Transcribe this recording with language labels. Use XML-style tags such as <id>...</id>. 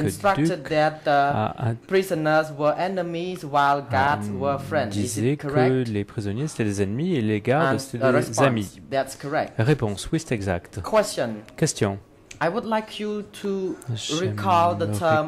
<en>Duc that, prisoners were enemies while guards were friends.</en> <fr>Disait que les prisonniers c'était des ennemis et les gardes</fr> <en>and</en> <fr>c'était des</fr> <en>response.</en> <fr>Amis.</fr> <en>That's correct.</en> <fr>Réponse. Oui, c'est exact.</fr> <en>Question.</en> <fr>Question.</fr> <en>I would like you to recall the term</en>